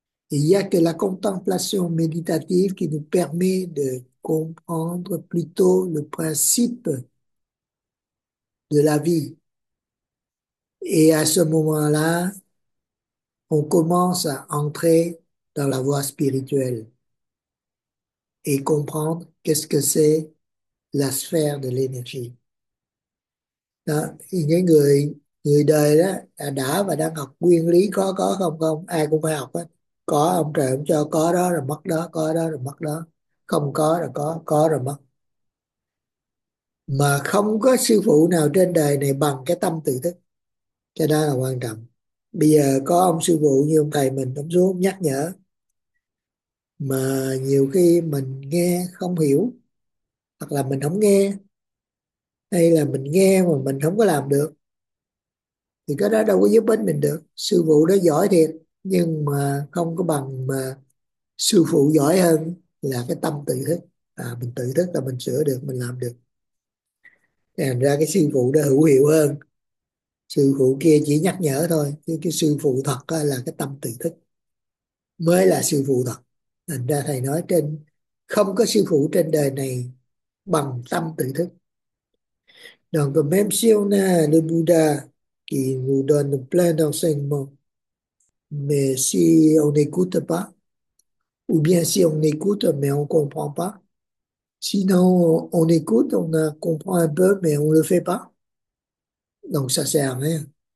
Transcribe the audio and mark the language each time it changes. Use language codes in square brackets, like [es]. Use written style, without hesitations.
[fr] Il n'y a que la contemplation méditative qui nous permet de comprendre plutôt le principe de la vie. Et à ce moment-là, on commence à entrer dans la voie spirituelle et comprendre qu'est-ce que c'est la sphère de l'énergie. Il y a [vi] người đời đó đã và đang học nguyên lý có không không ai cũng phải học hết, có ông trời ông cho, có đó rồi mất đó, có đó rồi mất đó, không có rồi có rồi mất. Mà không có sư phụ nào trên đời này bằng cái tâm tự thức, cái đó là quan trọng. Bây giờ có ông sư phụ như ông thầy mình ông xuống nhắc nhở, mà nhiều khi mình nghe không hiểu hoặc là mình không nghe hay là mình nghe mà mình không có làm được thì cái đó đâu có giúp ích mình được. Sư phụ đó giỏi thiệt nhưng mà không có bằng mà sư phụ giỏi hơn là cái tâm tự thức. À, mình tự thức là mình sửa được, mình làm được. Thành ra cái sư phụ đó hữu hiệu hơn. Sư phụ kia chỉ nhắc nhở thôi, chứ cái sư phụ thật là cái tâm tự thức mới là sư phụ thật. Thành ra thầy nói trên không có sư phụ trên đời này bằng tâm tự thức. [fr] Donc comme même si on a le Bouddha qui nous donne plein d'enseignements, mais si on n'écoute pas, ou bien si on écoute mais on comprend pas, sinon on écoute, on comprend un peu mais on le fait pas, donc ça sert à rien.